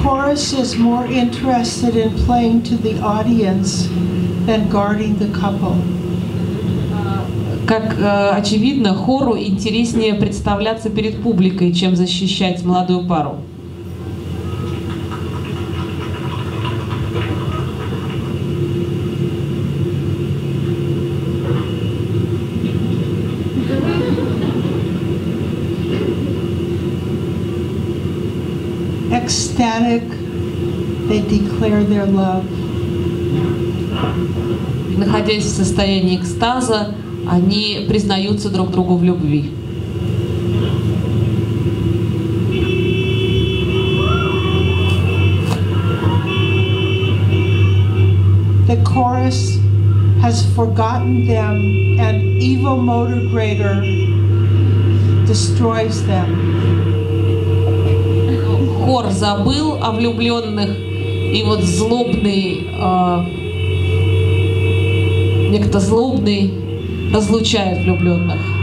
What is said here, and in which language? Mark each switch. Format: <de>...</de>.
<en>Is more interested in playing to the audience than guarding the couple.</en> <ru>Как очевидно, хору интереснее представляться перед публикой, чем защищать молодую пару.</ru> <en>Ecstatic. They declare their love.</en> <ru>Находясь в состоянии экстаза, они признаются друг другу в любви.</ru> <en>The chorus has forgotten them, and evil motor grader destroys them.</en> <ru>Хор забыл о влюбленных. И вот некто злобный разлучает влюбленных.</ru>